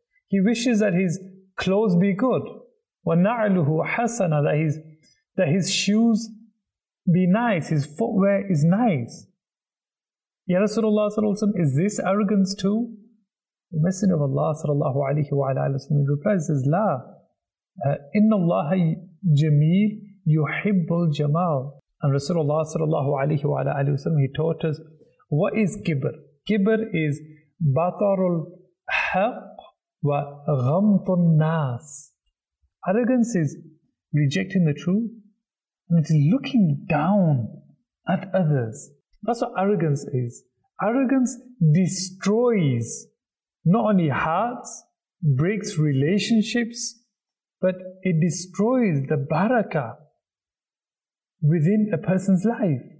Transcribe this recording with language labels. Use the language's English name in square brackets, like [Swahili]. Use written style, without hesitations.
[English] He wishes that his clothes be good. [Arabic] وَنَعْلُهُ حَسَنًا, [English] that his shoes be nice, his footwear is nice. Ya Rasulullah sallallahu alayhi wa sallam, is this arrogance too? The Messenger of Allah sallallahu alayhi wa ala alayhi wa sallam replies, says, [Arabic] لا, إِنَّ اللَّهَ جَمِيل يُحِبُّ الْجَمَال. [English] And Rasulullah sallallahu alayhi wa ala alayhi wa sallam, he taught us, what is kibr? [Arabic] Kibr is بَطَرُ الْحَقُ وَغَمْطُ النَّاسِ. [English] Arrogance is rejecting the truth, and it is looking down at others. That's what arrogance is. Arrogance destroys not only hearts, breaks relationships, but it destroys the barakah within a person's life.